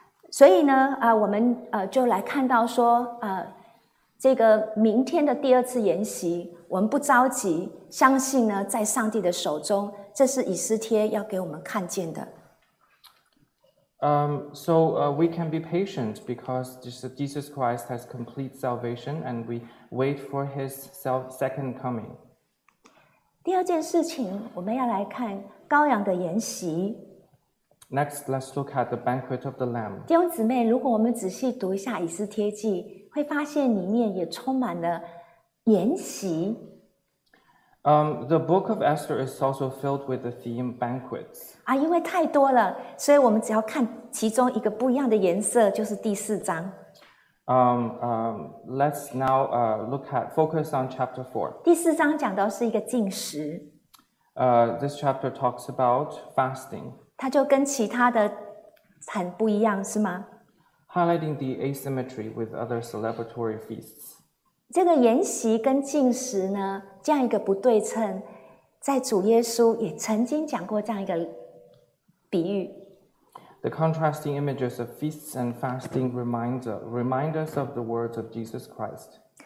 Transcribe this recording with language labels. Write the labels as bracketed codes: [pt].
[zh] 所以呢，我们就来看到说，这个明天的第二次筵席，我们不着急，相信呢，在上帝的手中，这是以斯帖要给我们看见的。 [en] We can be patient because Jesus Christ has complete salvation, and we wait for His second coming. [zh] 第二件事情，我们要来看。羔羊的筵席。 [en] Next, let's look at the banquet of the Lamb. [zh] 弟兄姊妹，如果我们仔细读一下以斯帖记，会发现里面也充满了筵席。 [en] The book of Esther is also filled with the theme banquets. [zh] 因为太多了，所以我们只要看其中一个不一样的颜色，就是第四章。 [en] Let's now focus on chapter 4. [zh] 第四章讲到是一个禁食。 [en] This chapter talks about fasting. [zh] 它就跟其他的很不一样，是吗？ [en] Highlighting the asymmetry with other celebratory feasts. [zh] 这个筵席跟禁食呢，这样一个不对称，在主耶稣也曾经讲过这样一个比喻。 [en] The contrasting images of feasts and fasting remind us of the words of Jesus Christ.